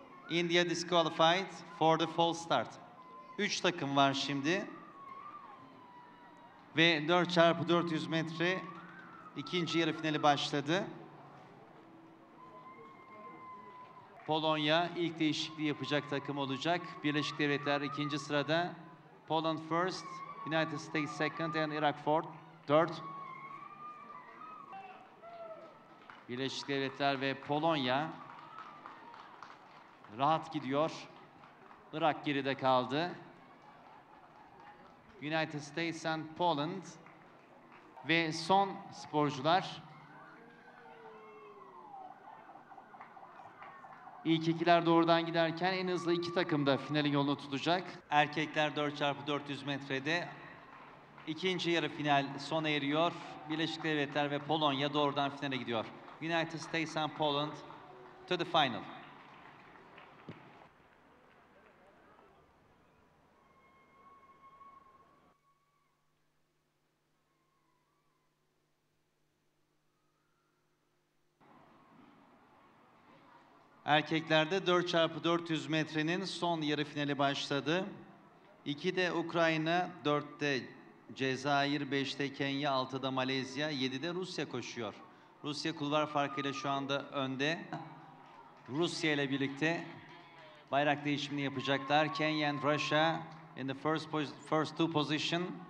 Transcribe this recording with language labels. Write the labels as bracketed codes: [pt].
[en] India disqualified for the false start. [tr] 3 takım var şimdi. Ve 4x400 metre ikinci yarı finali başladı. Polonya ilk değişikliği yapacak takım olacak. Birleşik Devletler 2. sırada. [en] Poland first, United States second and Iraq fourth. [tr] 4. Birleşik Devletler ve Polonya rahat gidiyor. Irak geride kaldı. United States and Poland ve son sporcular ilk ikiler doğrudan giderken en hızlı iki takım da finalin yolunu tutacak. Erkekler 4x400 metrede ikinci yarı final sona eriyor. Birleşik Devletler ve Polonya doğrudan finale gidiyor. [en] United States and Poland to the final. [tr] Erkeklerde 4x400 metrenin son yarı finali başladı. 2'de Ukrayna, 4'te Cezayir, 5'te Kenya, 6'da Malezya, 7'de Rusya koşuyor. Rusya kulvar farkıyla şu anda önde. Rusya ile birlikte bayrak değişimini yapacaklar. [en] Kenya and Russia in the first two position.